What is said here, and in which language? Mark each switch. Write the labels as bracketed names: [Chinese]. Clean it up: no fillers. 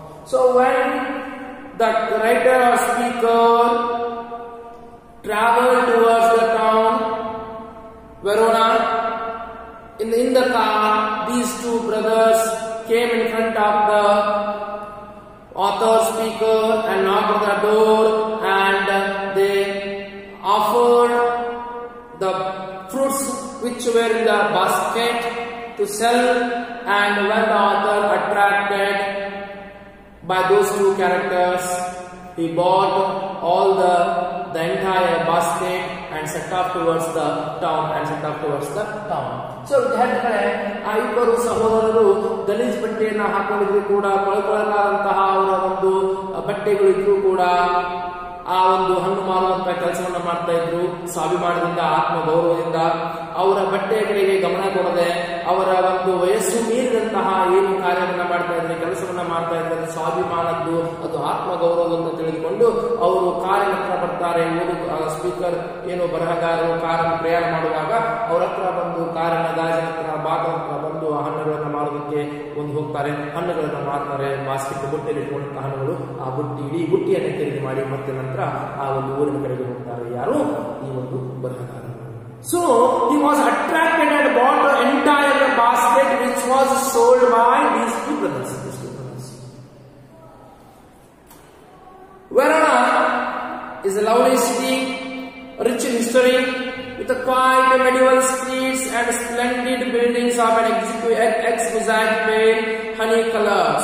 [English] So when the writer or speaker traveled towards the town, Verona, in the car, these two brothers came in front of the author, speaker, and knocked on the door, and they offered the fruits which were in the basket to sell. And when the author attracted by those two characters, he bought all the entire basket and set off towards the town. [Kannada] So ಆ ಇಬ್ಬರು ಸಹೋದರರು ಗಲೀಜ್ ಬಟ್ಟೆಯನ್ನು ಹಾಕೊಂಡಿದ್ರು ಕೂಡ, ಕೊಳಕೊಳಕಾದಂತಹ ಅವರ ಒಂದು ಬಟ್ಟೆಗಳು ಇದ್ರು ಕೂಡ, ಆ ಒಂದು ಹಣ್ಣು ಮಾರುವಂತಹ ಕೆಲಸವನ್ನು ಮಾಡ್ತಾ ಇದ್ರು ಸ್ವಾಭಿಮಾನದಿಂದ, ಆತ್ಮಗೌರವದಿಂದ. ಅವರ ಬಟ್ಟೆಗಳಿಗೆ ಗಮನ ಕೊಡದೆ, ಅವರ ಒಂದು ವಯಸ್ಸು ಮೀರಿದಂತಹ ಏನು ಕಾರ್ಯವನ್ನು ಮಾಡ್ತಾ ಇದ್ರು, ಕೆಲಸವನ್ನು ಮಾಡ್ತಾ ಇದ್ರು, ಸ್ವಾಭಿಮಾನದ್ದು ಅದು ಆತ್ಮಗೌರವವನ್ನು ತಿಳಿದುಕೊಂಡು ಅವರು ಕಾರಿನ ಹತ್ರ ಬರ್ತಾರೆ. ಸ್ಪೀಕರ್ ಏನು ಬರಹಗಾರರು ಕಾರನ್ನು ಪ್ರಯಾಣ ಮಾಡುವಾಗ ಅವರ ಹತ್ರ ಬಂದು ಕಾರಿನ ಗಾಜಿನ ಹತ್ರ ಬಾಗಿಲು ಬಂದು ಆ ಹಣ್ಣುಗಳನ್ನು ಮಾರೋದಕ್ಕೆ ಒಂದು ಹೋಗ್ತಾರೆ. ಹಣ್ಣುಗಳನ್ನು ಮಾರ್ತಾರೆ, ಬಾಸ್ಕೆಟ್ ಬುಟ್ಟಿಯಲ್ಲಿ ಇಟ್ಕೊಂಡಂತಹ ಹಣ್ಣುಗಳು, ಆ ಬುಟ್ಟಿ ಇಡೀ ಬುಟ್ಟಿಯನ್ನು ಖರೀದಿ ಮಾಡಿ ಮತ್ತೆ ನಂತರ ಆ ಒಂದು ಊರಿನ ಕಡೆಗೆ ಹೋಗ್ತಾರೆ. ಯಾರು? ಈ ಒಂದು ಬರಹಗಾರ. [English] So he was attracted and bought the entire basket which was sold by these two brothers. Verona is a lovely city, rich in history, with a quiet medieval streets and splendid buildings of an exquisite pale honey color.